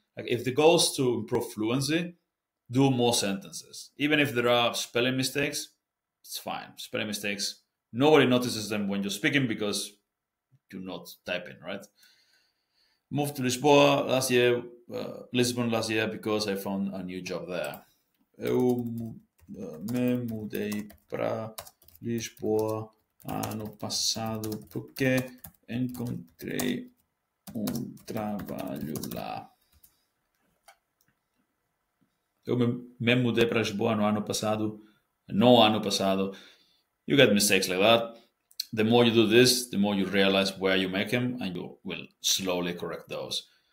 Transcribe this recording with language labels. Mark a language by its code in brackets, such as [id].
[en] Like, if the goal is to improve fluency, do more sentences. Even if there are spelling mistakes, it's fine. Spelling mistakes, nobody notices them when you're speaking because you're not typing, right? Moved to Lisboa last year, Lisbon last year, because I found a new job there. [pt] Eu me mudei para Lisboa ano passado porque encontrei um trabalho lá. Eu me mudei para Lisboa no ano passado. No ano passado. [en] You get mistakes like that. The more you do this, the more you realize where you make them, and you will slowly correct those.